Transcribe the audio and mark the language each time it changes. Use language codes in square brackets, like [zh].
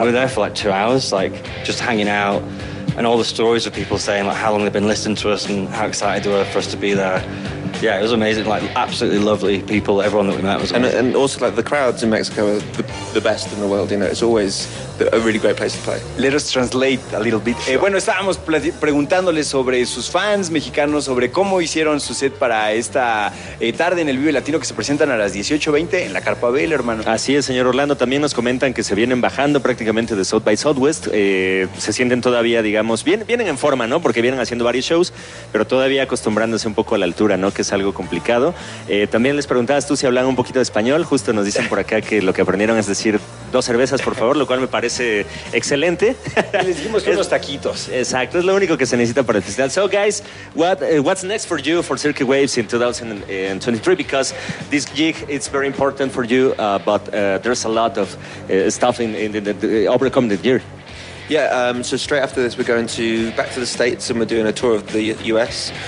[en] We were there for like 2 hours, like just hanging out. And all the stories of people saying like how long they've been listening to us and how excited they were for us to be there. Yeah, it was amazing. Like, absolutely lovely people. Everyone that we met was amazing. And also, like, the crowds in Mexico are the best in the world. You know, it's always a really great place to play. Let us translate a little bit. Sure. [es] Bueno, estábamos preguntándoles sobre sus fans mexicanos, sobre cómo hicieron su set para esta tarde en el Vive Latino que se presentan a las 18:20 en la Carpa Bell, hermano. Así es, señor Orlando. También nos comentan que se vienen bajando prácticamente de South by Southwest. Se sienten todavía, digamos, vienen en forma, ¿no? Porque vienen haciendo varios shows, pero todavía acostumbrándose un poco a la altura, ¿no? Que es algo complicado. También les preguntabas tú si hablan un poquito de español. Justo nos dicen por acá que lo que aprendieron es decir dos cervezas, por favor, lo cual me parece excelente. Y les dijimos que unos taquitos. Exacto, es lo único que se necesita para el festival. [en] So, guys, what's next for you for Cirque Waves in 2023? Because this gig, it's very important for you, but there's a lot of stuff in the this year. Yeah, so straight after this, we're going back to the States and we're doing a tour of the US.